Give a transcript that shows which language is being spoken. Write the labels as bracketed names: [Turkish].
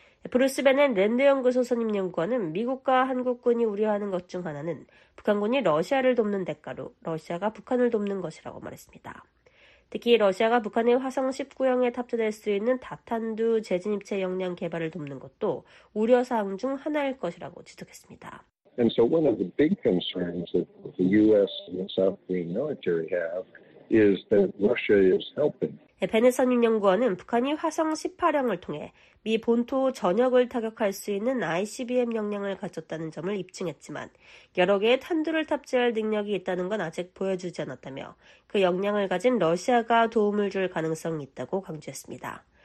[Korean] 브루스 베넨 랜드연구소 선임연구원은 미국과 한국군이 우려하는 것 중 하나는 북한군이 러시아를 돕는 대가로 러시아가 북한을 돕는 것이라고 말했습니다. 특히 러시아가 북한의 화성 19형에 탑재될 수 있는 다탄두 재진입체 역량 개발을 돕는 것도 우려사항 중 하나일 것이라고 지적했습니다. [English] And so one of the big concerns that the U.S. and the South Korean military have is that Russia is helping. [Korean] 베넷 선임연구원은 북한이 화성 18형을 통해 미 본토 전역을 타격할 수 있는 ICBM 역량을 갖췄다는 점을 입증했지만 여러 개의 탄두를 탑재할 능력이 있다는 건 아직 보여주지 않았다며 그 역량을 가진 러시아가 도움을 줄 가능성이 있다고 강조했습니다.